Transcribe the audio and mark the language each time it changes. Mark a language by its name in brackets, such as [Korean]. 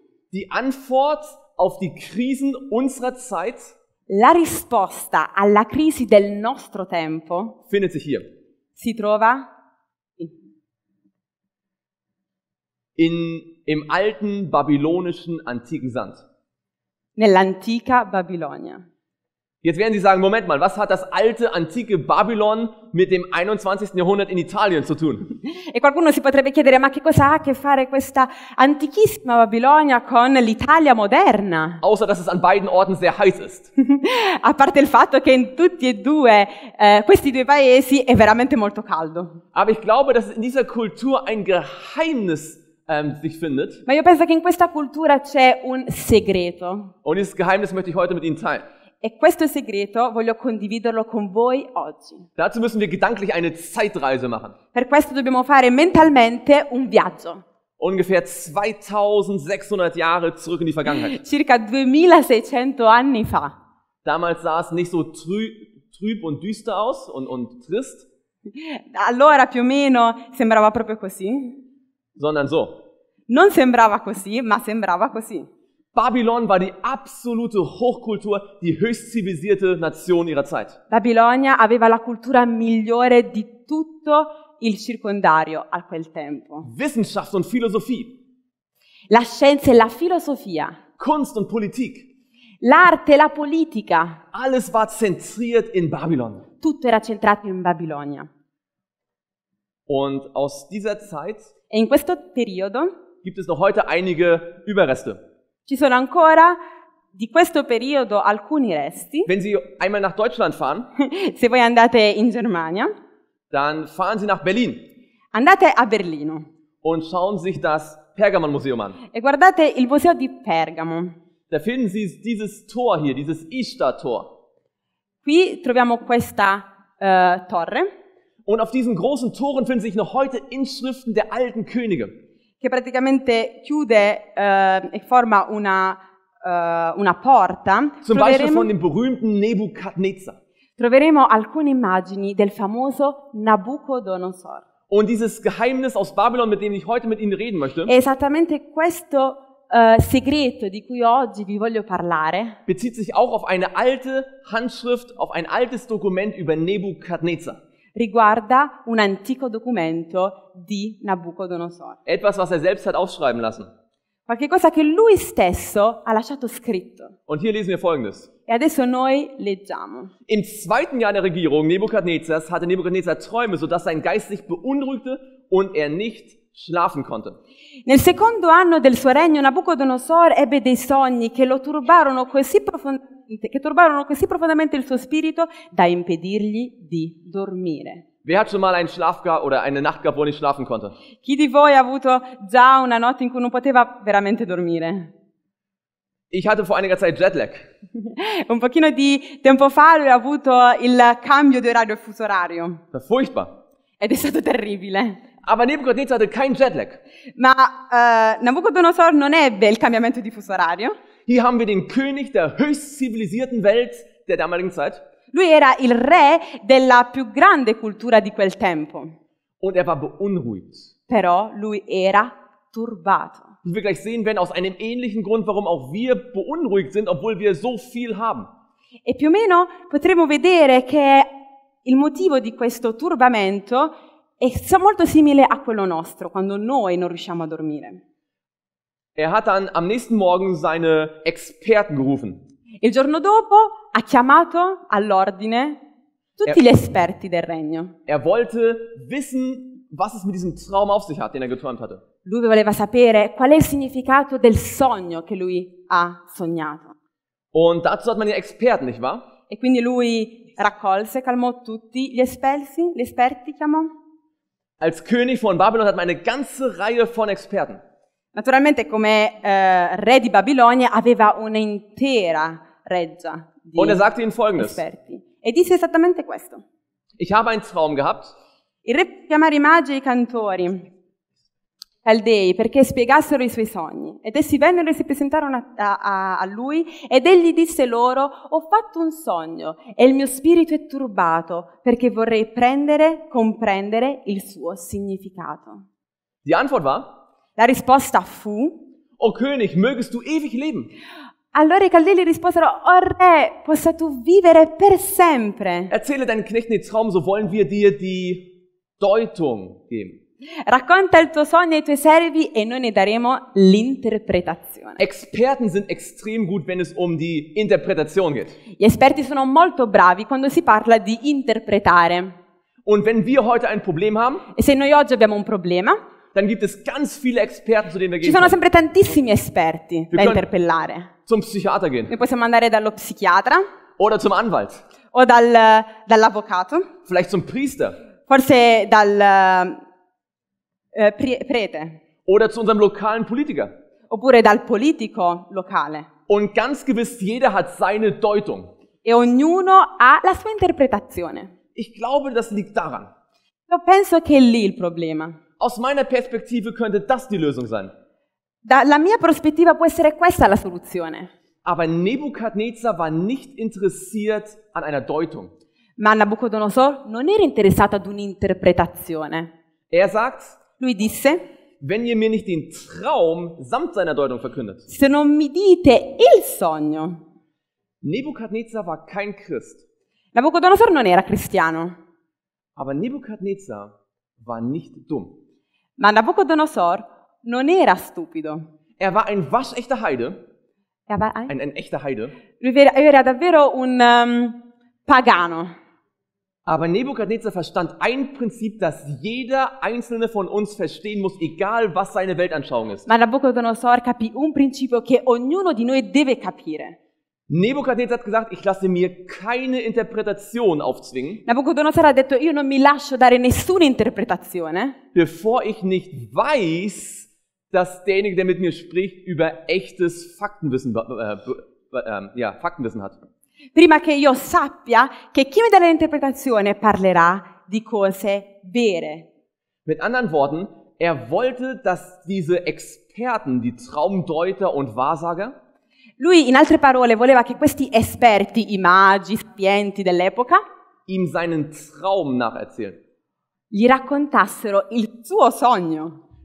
[German] Die Antwort auf die Krisen unserer Zeit. [Italian] La risposta alla crisi del nostro tempo. [German] Findet sich hier. [Italian] Si trova [German] im alten babylonischen antiken Sand. [Italian] Nell'antica Babilonia. [German] Jetzt werden Sie sagen, Moment mal, was hat das alte, antike Babylon mit dem 21. Jahrhundert in Italien zu tun? [Italian] E qualcuno si potrebbe chiedere, ma che cosa ha a che fare questa antichissima Babilonia con l'Italia moderna? [German] Außer, dass es an beiden Orten sehr heiß ist. [Italian] A parte il fatto che in tutti e due, questi due paesi è veramente molto caldo. [German] Aber ich glaube, dass in dieser Kultur ein Geheimnis sich findet. [Italian] Ma io penso che in questa cultura c'è un segreto. [German] Und dieses Geheimnis möchte ich heute mit Ihnen teilen. [Italian] E questo segreto voglio condividerlo con voi oggi. [German] Dazu müssen wir gedanklich eine Zeitreise machen. [Italian] Per questo dobbiamo fare mentalmente un viaggio. [German] Ungefähr 2600 Jahre zurück in die Vergangenheit. [Italian] Circa 2600 anni fa. [German] Damals sah es nicht so trüb und düster aus und trist. [Italian] Allora più o meno sembrava proprio così. [German] Sondern so. [Italian] Non sembrava così, ma sembrava così. [German] Babylon war die absolute Hochkultur, die höchst zivilisierte Nation ihrer Zeit. [Italian] Babilonia aveva la cultura migliore di tutto il circondario a quel tempo. [German] Wissenschaft und Philosophie. [Italian] La scienza e la filosofia. [German] Kunst und Politik. [Italian] L'arte e la politica. [German] Alles war zentriert in Babylon. [Italian] Tutto era centrato in Babilonia. [German] Und aus dieser Zeit [Italian] e in questo periodo [German] gibt es noch heute einige Überreste. [Italian] Ci sono ancora di questo periodo alcuni resti. [German] Wenn Sie einmal nach Deutschland fahren, [Italian] se voi andate in Germania, [German] dann fahren Sie nach Berlin. [Italian] Andate a Berlino. [German] Und schauen sich das Pergamonmuseum an. [Italian] E guardate il museo di Pergamo. [German] Da finden Sie dieses Tor hier, dieses Ishtar-Tor. [Italian] Qui troviamo questa torre. [German] Und auf diesen großen Toren finden sich noch heute Inschriften der alten Könige. [Italian] Che praticamente chiude e forma una porta. [German] Zum Beispiel von dem berühmten Nebukadnezar. [Italian] Troveremo alcune immagini del famoso Nabucodonosor. [German] Und dieses Geheimnis aus Babylon, mit dem ich heute mit Ihnen reden möchte. [Italian] Esattamente questo segreto di cui oggi vi voglio parlare. [German] Bezieht sich auch auf eine alte Handschrift, auf ein altes Dokument über Nebukadnezar. [Italian] Riguarda un antico documento di Nabucodonosor. [German] Etwas, was selbst hat aufschreiben lassen. [Italian] Qualche cosa che lui stesso ha lasciato scritto. [German] Und hier lesen wir Folgendes. [Italian] E adesso noi leggiamo. [German] Im zweiten Jahr der Regierung Nebukadnezars hatte Nebukadnezar Träume, sodass sein Geist sich beunruhigte und er nicht schlafen konnte. [Italian] Nel secondo anno del suo regno Nabucodonosor ebbe dei sogni che lo turbarono così profondamente. Che turbarono così profondamente il suo spirito da impedirgli di dormire. [German] Wer hat schon mal einen Schlaf gehabt oder eine Nacht gehabt, wo er nicht schlafen konnte? [Italian] Chi di voi ha avuto già una notte in cui non poteva veramente dormire? [German] Ich hatte vor einiger Zeit Jetlag. [Italian] Un pochino di tempo fa lui ha avuto il cambio di orario, il fuso orario. [German] Furchtbar. [Italian] Ed è stato terribile. [German] Aber Nebuchadnezzar hatte kein Jetlag. [Italian] Ma Nabucodonosor non ebbe il cambiamento di fuso orario. [German] Hier haben wir den König der höchst zivilisierten Welt der damaligen Zeit. [Italian] Lui era il re della più grande cultura di quel tempo. [German] Und er war beunruhigt. [Italian] Però lui era turbato. [German] Wie wir gleich sehen werden, aus einem ähnlichen Grund, warum auch wir beunruhigt sind, obwohl wir so viel haben. [Italian] E più o meno potremo vedere che il motivo di questo turbamento è molto simile a quello nostro, quando noi non riusciamo a dormire. [German] Er hat dann am nächsten Morgen seine Experten gerufen. [Italian] Il giorno dopo ha chiamato all'ordine tutti gli esperti del regno. [German] Er wollte wissen, was es mit diesem Traum auf sich hat, den er geträumt hatte. [Italian] Lui voleva sapere qual è il significato del sogno che lui ha sognato. [German] Und dazu hat man den Experten, nicht wahr? [Italian] E quindi lui raccolse, calmò tutti gli esperti, chiamò. [German] Als König von Babylon hat man eine ganze Reihe von Experten. [Italian] Naturalmente, come re di Babilonia, aveva un'intera reggia di [German] Und er sagte ihnen Folgendes. [Italian] Esperti. E disse esattamente questo. [German] Ich habe einen Traum gehabt. [Italian] Il re chiamare i magi e i cantori caldei perché spiegassero i suoi sogni. Ed essi vennero e si presentarono a lui, ed egli disse loro: ho fatto un sogno e il mio spirito è turbato perché vorrei comprendere il suo significato. [German] Die Antwort war? [Italian] La risposta fu: [German] O König, mögest du ewig leben? [Italian] Allora i caldei risposero: O re, possa tu vivere per sempre. [German] Erzähle deinen Knechten den Traum, so wollen wir dir die Deutung geben. [Italian] Racconta il tuo sogno ai tuoi servi e noi ne daremo l'interpretazione. [German] Experten sind extrem gut, wenn es um die Interpretation geht. [Italian] Gli esperti sono molto bravi quando si parla di interpretare. [German] Und wenn wir heute ein Problem haben, [Italian] e se noi oggi abbiamo un problema, [German] dann gibt es ganz viele Experten, zu denen wir gehen. [Italian] Ci sono [German] können. [Italian] Sempre tantissimi esperti [German] wir [Italian] da interpellare. [German] Zum Psychiater gehen. [Italian] Noi possiamo andare dallo psichiatra. [German] Oder zum Anwalt. [Italian] O dall'avvocato. [German] Vielleicht zum Priester. [Italian] Forse dal prete. [German] Oder zu unserem lokalen Politiker. [Italian] Oppure dal politico locale. [German] Und ganz gewiss, jeder hat seine Deutung. [Italian] E ognuno ha la sua interpretazione. [German] Ich glaube, das liegt daran. [Italian] Io penso che è lì il problema. [German] Aus meiner Perspektive könnte das die Lösung sein. [Italian] Dalla mia prospettiva può essere questa la soluzione. [German] Aber Nebuchadnezzar war nicht interessiert an einer Deutung. [Italian] Ma Nabucodonosor non era interessato ad un'interpretazione. [German] Er sagt, [Italian] lui disse, [German] wenn ihr mir nicht den Traum samt seiner Deutung verkündet. [Italian] Se non mi dite il sogno. [German] Nebuchadnezzar war kein Christ. [Italian] Nabucodonosor non era cristiano. [German] Aber Nebuchadnezzar war nicht dumm. [Italian] Ma Nabucodonosor non era stupido. [German] Er war ein waschechter Heide. Er war ein echter Heide. [Italian] Lui era davvero un pagano. [German] Aber Nebuchadnezzar verstand ein Prinzip, das jeder einzelne von uns verstehen muss, egal was seine Weltanschauung ist. [Italian] Ma Nabucodonosor capì un principio che ognuno di noi deve capire. [German] Nebuchadnezzar hat gesagt, ich lasse mir keine Interpretation aufzwingen. [Italian] Nabucodonosor ha detto, io non mi lascio dare nessuna interpretazione. [German] Bevor ich nicht weiß, dass derjenige, der mit mir spricht, über echtes Faktenwissen, Faktenwissen hat. [Italian] Prima che io sappia che chi mi dà l'interpretazione parlerà di cose vere. [German] Mit anderen Worten, er wollte, dass diese Experten, die Traumdeuter und Wahrsager, [Italian] lui in altre parole voleva che questi esperti, i magi, sapienti dell'epoca, [German] ihm seinen Traum nacherzählen. [Italian] Gli raccontassero il suo sogno.